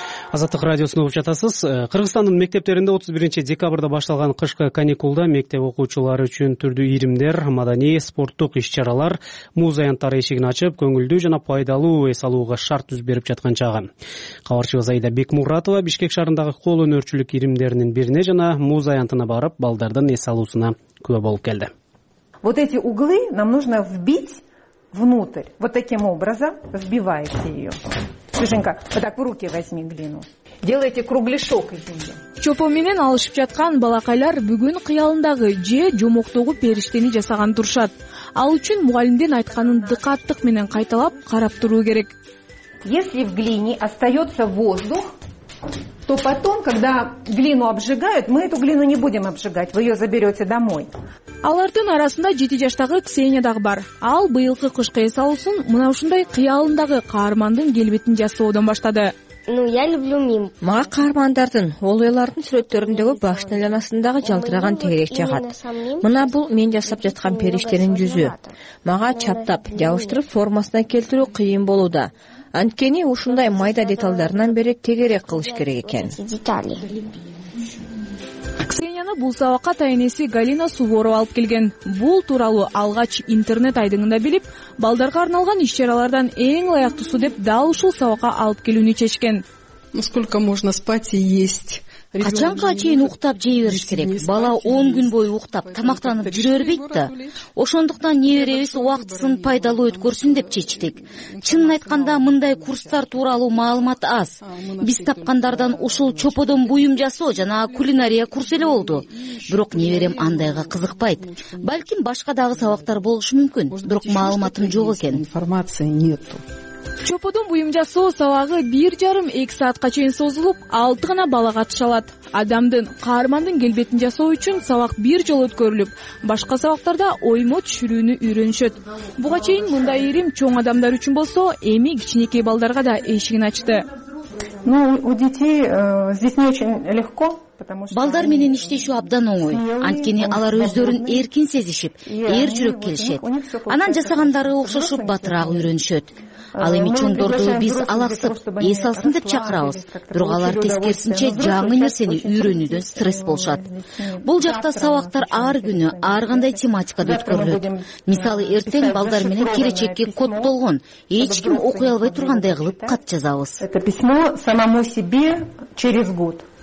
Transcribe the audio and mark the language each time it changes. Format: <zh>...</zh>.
<ky>Азаттык радиосун угуп жатасыз. Кыргызстандын мектептеринде 31 декабрда башталган кышкы каникулда мектеп окуучулары үчүн түрдүү ийримдер, маданий, спорттук иш-чаралар, муз аянттары эшигин ачып, көңүлдүү жана пайдалуу эс алууга шарт түз берип жаткан чагы. Кабарчыбыз Айда Бекмуратова Бишкек шаарындагы кол өнөрчүлүк ийримдеринин бирине жана муз аянтына барып, балдардын эс алуусуна күбө болуп келди.</ky> <ru>Вот эти углы нам нужно вбить внутрь. Вот таким образом вбиваете ее. Слышенька, вот так в руки возьми глину. Делайте кругляшок из нее.</ru> <ky>Чопо менен алышып жаткан балакайлар бүгүн кыялындагы же жомоктогу периштени жасаган турушат. Ал үчүн мугалимдин айтканын дыкаттык менен кайталап карап туруу керек.</ky> <ru>Если в глине остается воздух, то потом, когда глину обжигают, мы эту глину не будем обжигать, вы ее заберете домой.</ru> <ky>Алардын арасында 7 жаштагы Ксения дагы бар. Ал быйылкы кышкы эс алуусун мына ушундай кыялындагы каармандын келбетин жасоодон баштады.</ky> <ru>Ну, я люблю мим.</ru> <ky>Мага каармандардын, олойлордун сүрөттөрүндөгү баштын айланасындагы жалтыраган тегерек жагат. Мына бул мен жасап жаткан периштенин жүзү. Мага чаптап, жабыштырып формасына келтирүү кыйын болууда. Анткени ушундай майда деталдарынан бери тегерек кылыш керек экен. Ксенияны бул сабакка тайэнеси Галина Суворова алып келген. Бул тууралуу алгач интернет айдыңында билип, балдарга арналган иш-чаралардан эң ылайыктуусу деп дал ушул сабакка алып келүүнү чечкен.</ky> <ru>Насколько можно спать и есть?</ru> <ky>Качанга чейин уктап жей бериш керек? Бала 10 күн бою уктап, тамактанып жүрө бербейт да. Ошондуктан неберебиз убактысын пайдалуу өткөрсүн деп чечтик. Чынын айтканда мындай курстар тууралуу маалымат аз. Биз тапкандардан ушул чоподон буюм жасоо жана кулинария курсу эле болду. Бирок неберем андайга кызыкпайт. Балким башка дагы сабактар болушу мүмкүн, бирок маалыматым жок экен.</ky> <ru>Информации нету.</ru> <ky>Чоподон буюм жасоо сабагы 1.5-2 саатка чейин созулуп, 6 гана бала катыша алат. Адамдын, каармандын келбетин жасоо үчүн сабак бир жолу өткөрүлүп, башка сабактарда оймо түшүрүүнү үйрөнүшөт. Буга чейин мындай ирим чоң адамдар үчүн болсо, эми кичинекей балдарга да эшигин ачты.</ky> <ru>Ну, у детей здесь не очень легко.</ru> <ky>Балдар менен иштешүү абдан оңой, анткени алар өздөрүн эркин сезишип, эр жүрөк келишет. Анан жасагандары окшошуп батыраак үйрөнүшөт. Ал эми чоңдорду биз алаксып, эс алсын деп чакырабыз. Бирок алар тескерисинче жаңы нерсени үйрөнүүдө стресс болушат. Бул жакта сабактар ар күнү, ар кандай тематикада өткөрүлөт. Мисалы, эртең балдар менен келечекке коттолгон, эч ким окуй албай тургандай кылып кат жазабыз.</ky> <ru>Это письмо самому себе через год.</ru>